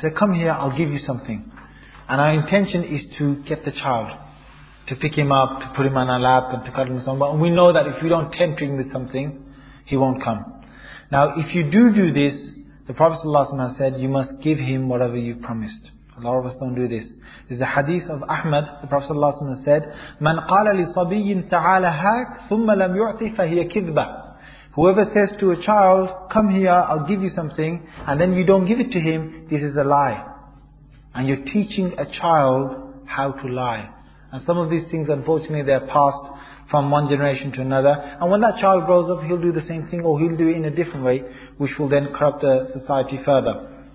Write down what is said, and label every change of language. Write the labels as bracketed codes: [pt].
[en] We say, come here, I'll give you something. And our intention is to get the child, to pick him up, to put him on our lap, and to cuddle him somewhere. And we know that if we don't tempt him with something, he won't come. Now, if you do this, the Prophet ﷺ said, you must give him whatever you promised. A lot of us don't do this. This is a hadith of Ahmad. The Prophet ﷺ said, [ar] مَنْ قَالَ لِصَبِيٍّ تَعَالَ هَاكْ ثُمَّ لَمْ يُعْطِي فَهِيَ كِذْبَ. [en] Whoever says to a child, come here, I'll give you something, and then you don't give it to him, this is a lie. And you're teaching a child how to lie. And some of these things, unfortunately, they're passed from one generation to another. And when that child grows up, he'll do the same thing, or he'll do it in a different way, which will then corrupt the society further.